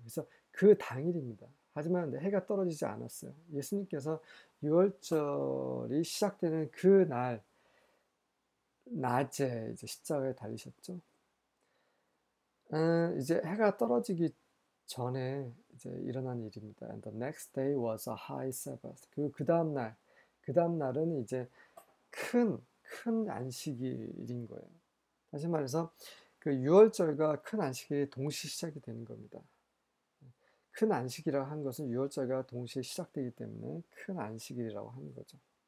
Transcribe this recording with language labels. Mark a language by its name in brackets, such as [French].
[Korean] 그래서 그 당일입니다. 하지만 해가 떨어지지 않았어요. 예수님께서 유월절이 시작되는 그 날, 낮에 이제 십자가에 달리셨죠. 이제 해가 떨어지기 전에 이제 일어난 일입니다. [English] And the next day was a high Sabbath. [Korean] 그 다음 날은 이제 큰 안식일인 거예요. 다시 말해서 그 유월절과 큰 안식일이 동시에 시작이 되는 겁니다. 큰 안식이라고 한 것은 유월절과 동시에 시작되기 때문에 큰 안식일이라고 하는 거죠.